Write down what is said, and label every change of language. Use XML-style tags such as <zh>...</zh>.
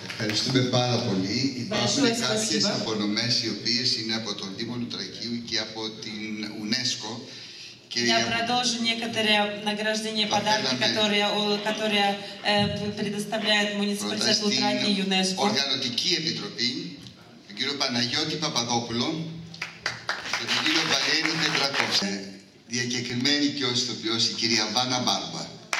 <el>Κάποιες απονομές οι οποίες είναι από τον Δήμο Λουτρακίου και από την UNESCO και</el> <ru>Я продолжу некоторые награждения, подарки, которые предоставляет муниципалитет Лутрани ЮНЕСКО.</ru> <el>Οργανωτική Επιτροπή, τον κύριο Παναγιώτη Παπαδόπουλο, τον κύριο Βαλέρη Πετρακόψε, διακεκριμένη και ως ηθοποιός η κυρία Βάνα Μπάρμπα.</el>